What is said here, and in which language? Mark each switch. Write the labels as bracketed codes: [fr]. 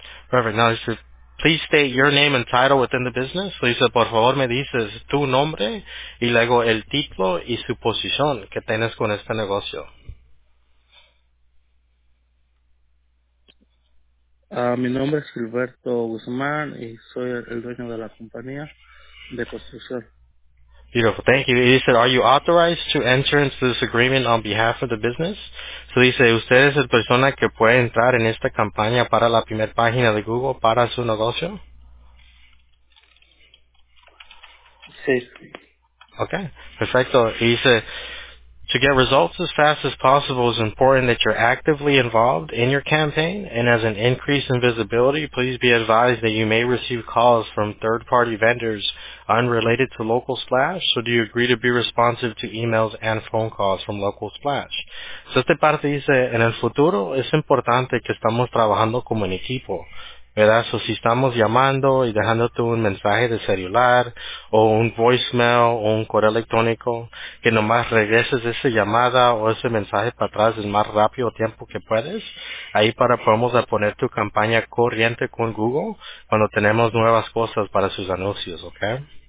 [en] Perfect. Now, please state your name and title within the business. [es] So, dice, por favor, me dices tu nombre y luego el título y su posición que tienes con este negocio. Mi nombre es Gilberto Guzmán y soy el dueño de la compañía de construcción. [en] Beautiful. Thank you. He said, are you authorized to enter into this agreement on behalf of the business? [es] So dice, ¿usted es la persona que puede entrar en esta campaña para la primera página de Google para su negocio? Sí. Okay, perfecto. [en] He said, to get results as fast as possible, it's important that you're actively involved in your campaign, and as an increase in visibility, please be advised that you may receive calls from third-party vendors unrelated to Local Splash, so do you agree to be responsive to emails and phone calls from Local Splash? [es] So esta parte dice, en el futuro es importante que estamos trabajando como un equipo. ¿Verdad? So, si estamos llamando y dejándote un mensaje de celular o un voicemail o un correo electrónico, que nomás regreses esa llamada o ese mensaje para atrás el más rápido tiempo que puedes, ahí para podemos poner tu campaña corriente con Google cuando tenemos nuevas cosas para sus anuncios, ¿ok?